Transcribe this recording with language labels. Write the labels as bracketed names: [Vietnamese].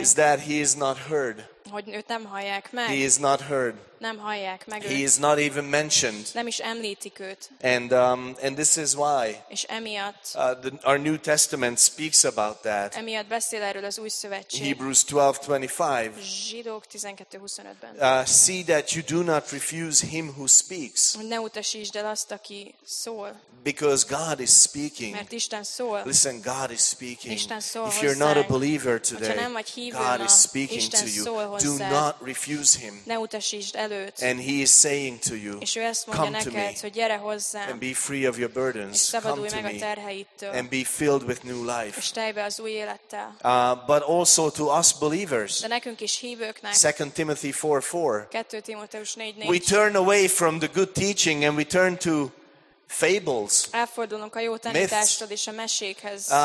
[English] Is that he is not heard. [Hungarian] Hogy őt nem hallják meg. [English] He is not heard. [Hungarian] Nem hallják meg [English] he [Hungarian] őt. [English] Is not even mentioned. [Hungarian] Nem is említik őt. [English] And this is why. [Hungarian] És emiatt [English] our New Testament speaks about that. [Hungarian] Emiatt beszél erről az új szövetség. [English] Hebrews 12:25. [Hungarian] Zsidók 12:25-ben. [English] See that you do not refuse him who speaks. [Hungarian] Ne utasítsd el azt, aki szól. [English] Because God is speaking. [Hungarian] Mert Isten szól. [English] Listen, God is speaking. [Hungarian] Isten szól. [English] If you're [Hungarian] hozzánk, [English] not a believer today, [Hungarian] hogyha nem vagy hívő, [English] God is speaking [Hungarian] Isten [English] to you. [Hungarian] Szól hozzád. [English] Do not refuse him. [Hungarian] Ne utasítsd el őt. [English] And he is saying to you, [Hungarian] és ő ezt mondja [English] come [Hungarian] neked, [English] to me, [Hungarian] hogy gyere hozzám, [English] and be free of your burdens, [Hungarian] és szabadulj [English] come [Hungarian] meg [English] to [Hungarian] a terheidtől, [English] and be filled with new life, [Hungarian] és telj be az új élettel. [English] But also to us believers, [Hungarian] de nekünk is hívőknek, [English] 2 Timothy 4:4, [Hungarian] 2 Timoteus 4:4, [English] we turn away from the good teaching and we turn to fables, [Hungarian] elfordulunk a jó tanítástól és a mesékhez,